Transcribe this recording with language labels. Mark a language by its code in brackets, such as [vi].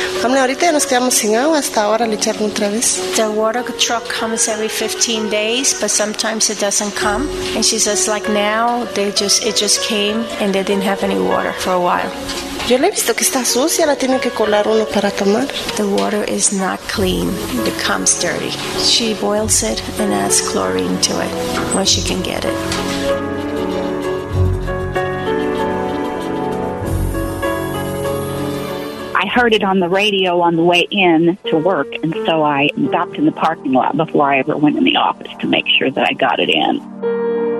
[es] Ahorita ya nos quedamos sin agua hasta ahora le echaron otra vez. [en] The water truck comes every 15 days, but sometimes it doesn't come. And she says, like now, it just came and they didn't have any water for a while. [es] Yo le he visto que está sucia, la tiene que colar uno para tomar. [en] The water is not clean. It comes dirty. She boils it and adds chlorine to it when she can get it. I heard it on the radio on the way in to work, and so I stopped in the parking lot before I ever went in the office to make sure that I got it in.